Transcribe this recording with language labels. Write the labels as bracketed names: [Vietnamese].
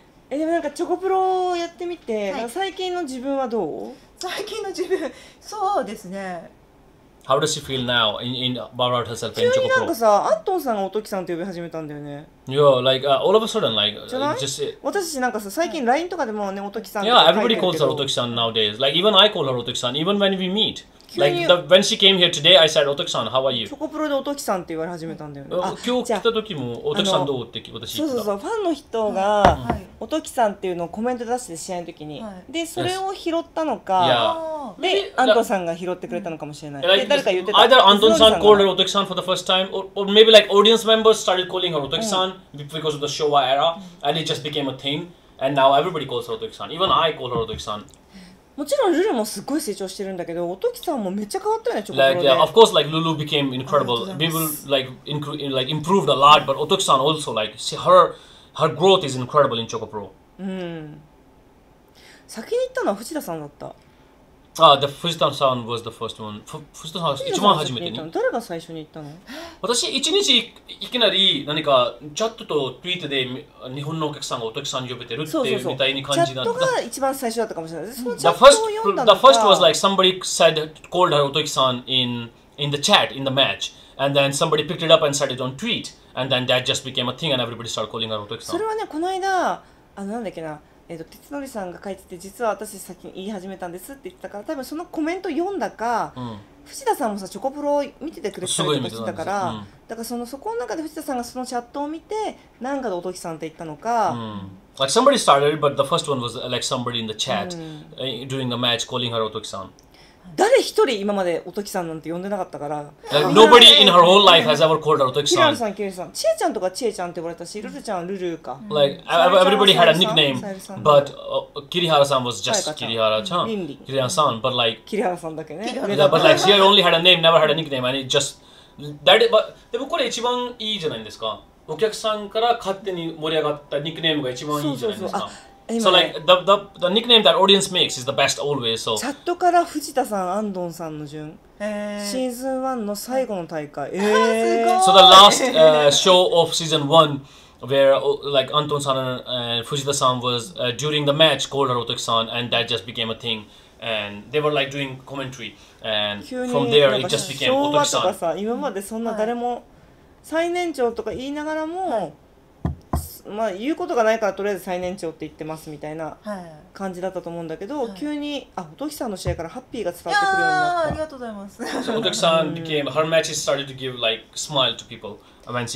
[Japanese] え、でもなんかチョコプロやってみて、最近の自分はどう？最近の自分、そうですね。 [English] How does she feel now in about herself in Choco Pro? [Japanese] 急になんかさ、アントンさんがおときさんって呼び始めたんだよね。 [English] Yeah, like all of a sudden, like [Japanese] just 私たちなんかさ、最近 LINE とかでもね、おときさん。 [English] Yeah, everybody calls her おときさん nowadays. Like even I call her おときさん even when we meet. Like when she came here today, I said おときさん how are you? [Japanese] チョコプロでおときさんって言われ始めたんだよね。今日来た時もおときさんどうって私言った。そうファンの人がおときさんっていうのをコメント出して試合の時に、でそれを拾ったのか。で、アントンさんが拾ってくれたのかもしれない。で、誰か言ってた。 [English] Either Anton-san called her Otoki-san for the first time, or maybe like audience members started calling her Otoki-san because of the Showa era, and it just became a thing. And now everybody calls her Otoki-san. Even I call her Otoki-san. [Japanese] もちろんルルもすごい成長してるんだけど、Otoki-san もめっちゃ変わったよね、チョコプロで。 [English] Of course, like Lulu became incredible. People like improved a lot, but Otoki-san also like her growth is incredible in Choco Pro. [Japanese] 先に行ったのは藤田さんだった。 [English] Ah, the Fujita-san was the first one. Fujita-san was the first one. Who was the first one? I went one day and tweeted that the Japanese audience was calling Otoki-san. So the chat was the first one. The first was like somebody said called her Otoki-san in the chat, in the match. And then somebody picked it up and said it on tweet. And then that just became a thing and everybody started calling her Otoki-san. That was recently, what was it? [Japanese] てつのりさんが書いてて、実は私先に言い始めたんですって言ってたから、多分そのコメント読んだか、藤田さんもさチョコプロを見ててくれたりとかしてたから、うん、だからそのそこの中で藤田さんがそのチャットを見て何かでおときさんって言ったのか、 [English] うん、like somebody started but the first one was like somebody in the chat、うん、during a match calling her おときさん。 [Japanese] 誰一人今までおときさんなんて呼んでなかったから、 [English] Nobody in her whole life has ever called her おときさん。 [Japanese] ひらるさん、きれいさん、ちえちゃんとかちえちゃんって呼ばれたし、ルルちゃんはルルーか。 [English] Like everybody had a nickname, but Kirihara san was just Kirihara chan. Kirihara san, but like [Japanese] Kirihara san だけね。 [English] Yeah, but like she only had a name, never had a nickname, and it just that. [Japanese] But でもこれ一番いいじゃないですか。お客さんから勝手に盛り上がったニックネームが一番いいじゃないですか。 [English] So like the nickname that audience makes is the best always. So [Japanese] チャットから藤田さん、安藤さんの順、シーズン1の最後の大会。 [English] So the last show of season 1 where like 安藤さん and 藤田さん was during the match called Otoki-san and that just became a thing and they were like doing commentary and from there it just became Otoki-san. [Japanese] 昭和とかさ、今までそんな誰も最年長とか言いながらも。まあ、言うことがないからとりあえず最年長って言ってますみたいな感じだったと思うんだけど、はい、急にあおときさんの試合からハッピーが伝わってくるようになった。いやありがとうございます。 [English] そう、おときさん became her matches started to give like smile to people when she became